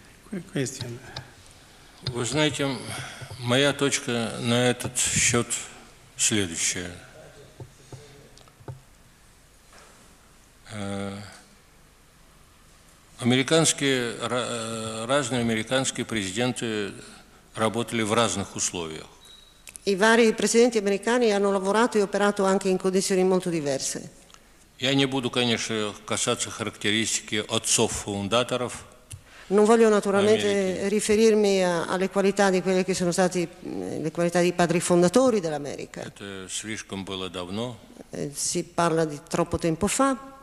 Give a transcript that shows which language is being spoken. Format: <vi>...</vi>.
<ru>Вы знаете, моя точка на этот счет следующая. Американские, разные американские президенты работали в разных условиях.</ru> <it>I vari presidenti americani hanno lavorato e operato anche in condizioni molto diverse.</it> <ru>Я не буду, конечно, касаться характеристики отцов-фундаторов.</ru> <it>Non voglio naturalmente riferirmi alle qualità di quelle che sono stati le qualità dei padri fondatori dell'America.</it> <ru>Это слишком было давно.</ru> <it>Si parla di troppo tempo fa.</it>